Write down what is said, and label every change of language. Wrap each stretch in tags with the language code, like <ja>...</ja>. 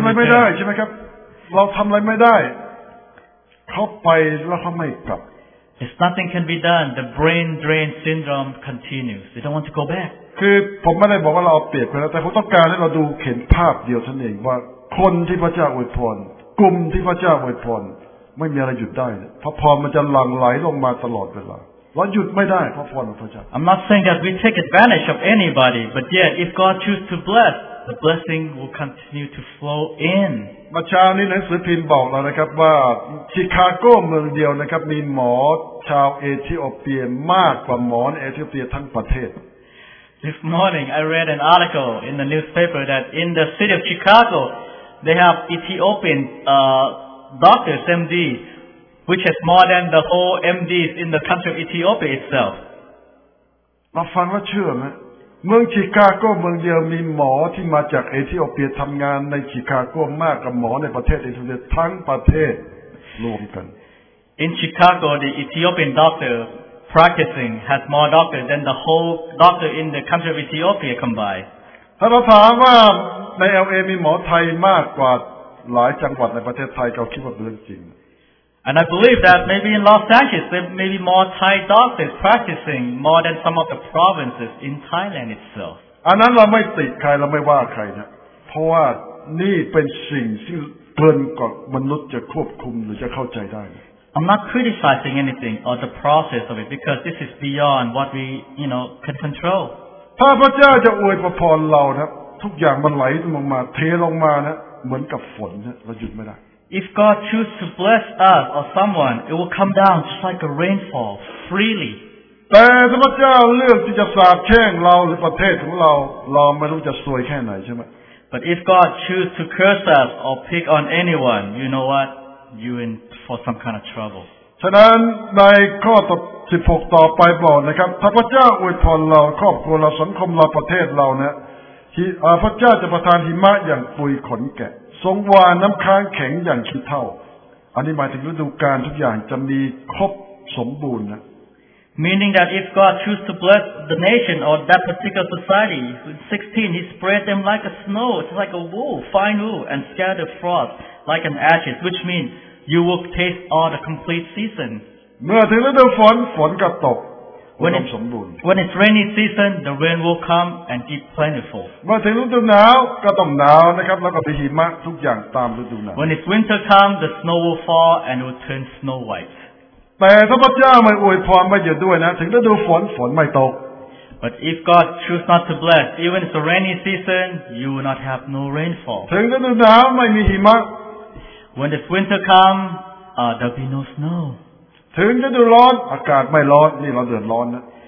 <th>ทำอะไรไม่ได้ใช่ไหมครับเราทำอะไรไม่ได้เขาไปแล้วเขาไม่กลับ</th> <en>It's nothing can be done. The brain drain syndrome continues. They don't want to go back.</en> <th>คือผมไม่ได้บอกว่าเราเปรียบเขาแต่ผมต้องการให้เราดูเห็นภาพเดียวเท่านั้นเองว่าคนที่พระเจ้าอวยพรกลุ่มที่พระเจ้าอวยพรไม่มีอะไรหยุดได้พระพรมันจะหลั่งไหลลงมาตลอดเวลาเราหยุดไม่ได้พระพรของพระเจ้า</th> <en>I'm not saying that we take advantage of anybody, but yet if God chooses to bless. The blessing will continue to flow in.</en> <th>มาเช้านี้หนังสือพิมพ์บอกเรานะครับว่าชิคาโก้เมืองเดียวนะครับมีหมอชาวเอธิโอเปียมากกว่าหมอเอธิโอเปียทั้งประเทศ</th> <en>This morning I read an article in the newspaper that in the city of Chicago they have Ethiopian doctors MD which has more than the whole MDs in the country of Ethiopia itself.</en> <th>เราฟังแล้วเชื่อไหมเมืองชิคาโกเมืองเดียวมีหมอที่มาจากเอธิโอเปียทำงานในชิคาโกมากกว่าหมอในประเทศเอธิโอเปียทั้งประเทศรวมกัน</th> <en>In Chicago the Ethiopian doctor practicing has more doctors than the whole doctor in the country of Ethiopia combined</en> <th>ถ้าเราถามว่าใน LA มีหมอไทยมากกว่าหลายจังหวัดในประเทศไทยเราคิดว่าเรื่องจริง</th> <en>And I believe that maybe in Los Angeles there may be more Thai doctors practicing more than some of the provinces in Thailand itself.</en> <th>อันนั้นเราไม่ติใครเราไม่ว่าใครนะเพราะว่านี่เป็นสิ่งที่เกินกว่ามนุษย์จะควบคุมหรือจะเข้าใจได้</th> <en>I'm not criticizing anything or the process of it because this is beyond what we, you know, can control.</en> <th>ถ้าพระเจ้าจะอวยพรเรานะทุกอย่างมันไหลลงมาเทลงมานะเหมือนกับฝนนะเราหยุดไม่ได้</th> <en>If God chooses to bless us or someone, it will come down just like a rainfall, freely.</en> <th>แต่ถ้าพระเจ้าเลือกที่จะสาปแช่งเราหรือประเทศของเราเราไม่รู้จะซวยแค่ไหนใช่ไหม</th> <en>But if God chooses to curse us or pick on anyone, you know what? You're in for some kind of trouble.</en> <th>ฉะนั้นในข้อ16ต่อไปบอกนะครับถ้าพระเจ้าอวยพรเราครอบครัวเราสังคมเราประเทศเราเนี่ยที่พระเจ้าจะประทานหิมะอย่างปุยขนแกะทรงวานน้ำค้างแข็งอย่างคิดเท่าอันนี้หมายถึงฤดูกาลทุกอย่างจะมีครบสมบูรณ์นะ</th> <en>Meaning that if God choose to bless the nation or that particular society in 16 he spread them like a snow it's like a wool fine wool and scattered frost like an ashes which means you will taste all the complete season</en> <th>เมื่อถึงฤดูฝนฝนก็ตกสมบูรณ์</th> <en>When it's rainy season the rain will come and be plentiful</en> <th>เมื่อถึงฤดูหนาวก็ต้องหนาวนะครับแล้วก็มีหิมะทุกอย่างตามฤดูหนาว</th> <en>When it's winter come the snow will fall and it will turn snow white</en> <th>แต่ถ้าพระเจ้าไม่อวยพรไม่หยุดด้วยนะถึงฤดูฝนฝนไม่ตก</th> <en>But if God choose not to bless even if it's a rainy season you will not have no rainfall</en> <th>ถึงฤดูหนาวไม่มีหิมะ</th> <en>When it's winter come there'll be no snow</en> <th>ถึงฤดูร้อนอากาศไม่ร้อนนี่เราเดือดร้อนนะ</th>